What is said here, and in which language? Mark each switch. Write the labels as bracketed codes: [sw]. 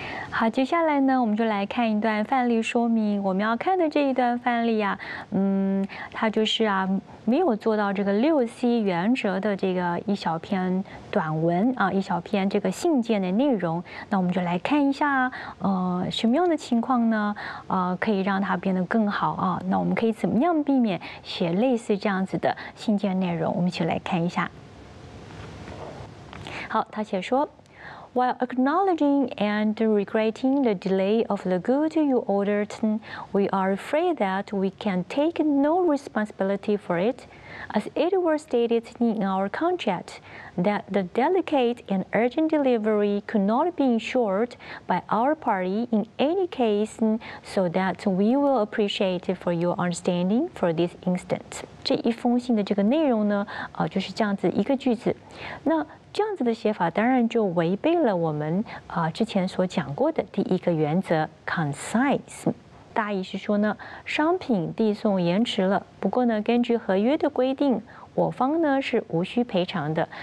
[zh] 好，接下来呢，我们就来看一段范例说明。我们要看的这一段范例啊，它就是啊没有做到这个六 C 原则的这个一小篇短文啊，一小篇这个信件的内容。那我们就来看一下，什么样的情况呢？可以让它变得更好啊。那我们可以怎么样避免写类似这样子的信件内容？我们一起来看一下。好，他写说 [en] ，While acknowledging and regretting the delay of the good you ordered, we are afraid that we can take no responsibility for it. as it was stated in our contract that the delicate and urgent delivery could not be ensured by our party in any case, so that we will appreciate for your understanding for this instant. [zh] 这一封信的这个内容呢，就是这样子一个句子。那这样子的写法当然就违背了我们之前所讲过的第一个原则 concise。大意是说呢，商品递送延迟了，不过呢，根据合约的规定，我方呢是无需赔偿的。